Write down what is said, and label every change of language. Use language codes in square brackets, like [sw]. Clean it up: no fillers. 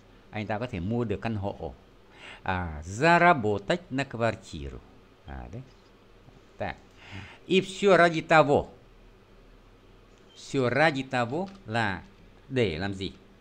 [vi] Anh ta có thể mua được căn hộ. [ru] Заработать на квартиру. [vi] Đấy. Так. [ru] И все ради того [vi] là để làm gì?